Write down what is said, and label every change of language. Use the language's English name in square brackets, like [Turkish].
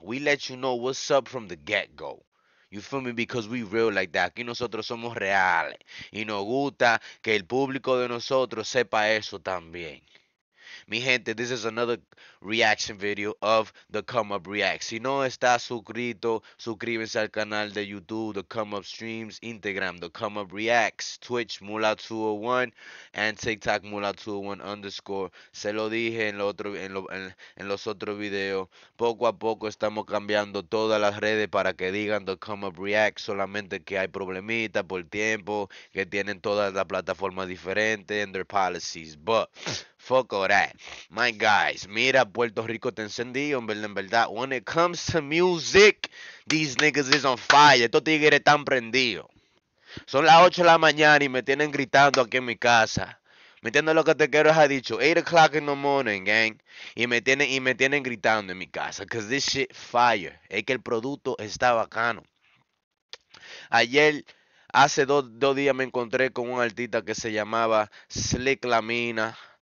[English] We let you know what's up from the get-go. You feel me? Because we real like that. [Spanish] Aquí nosotros somos reales. Y nos gusta que el público de nosotros sepa eso también. Mi gente, [English] this is another reaction video of the Come Up React. [Spanish] Si no estás suscrito, suscríbete al canal de YouTube, The Come Up Streams, Instagram, The Come Up Reacts, Twitch, Mula201, and TikTok, Mula201 underscore. Se lo dije en los otros videos. Poco a poco estamos cambiando todas las redes para que digan The Come Up React. Solamente que hay problemita por tiempo, que tienen todas las plataformas diferentes [English] and their policies, but fuck all that. My guys, [Spanish] mira, Puerto Rico te encendió, en verdad. [English] When it comes to music, these niggas is on fire. [Spanish] Estos tigres están prendidos. Son las 8 de la mañana y me tienen gritando aquí en mi casa. ¿Me entiendes lo que te quiero? Ha dicho [English] 8 o'clock in the morning, gang. [Spanish] Y me tienen gritando en mi casa. [English] Because this shit fire. [Spanish] Es que el producto está bacano. Ayer, hace dos días, me encontré con un artista que se llamaba Slick La Mina.